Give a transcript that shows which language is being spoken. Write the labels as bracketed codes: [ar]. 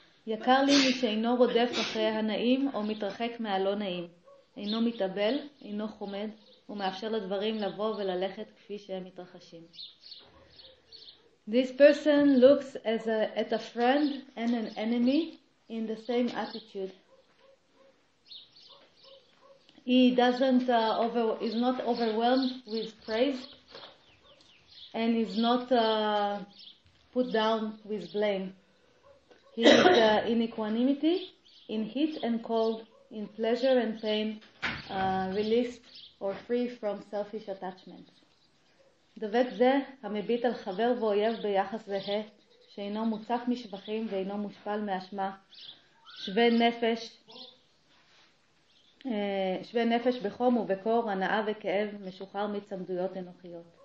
[he] יקר לי מי שאינו רודף אחרי הנעים או מתרחק מהלא נעים, אינו מתאבל, אינו חומד, ומאפשר לדברים לבוא וללכת כפי שהם מתרחשים. [en] This person looks as at a friend and an enemy in the same attitude. He doesn't is not overwhelmed with praise and is not put down with blame. He is in equanimity, in heat and cold, in pleasure and pain, released or free from selfish attachments. [he] דבק זה המביט על חבר ואויב ביחס זהה, שאינו מוצף משבחים ואינו מושפל מאשמה, שווה נפש בחום ובקור, הנאה וכאב, משוחרר מצמדויות אנוכיות.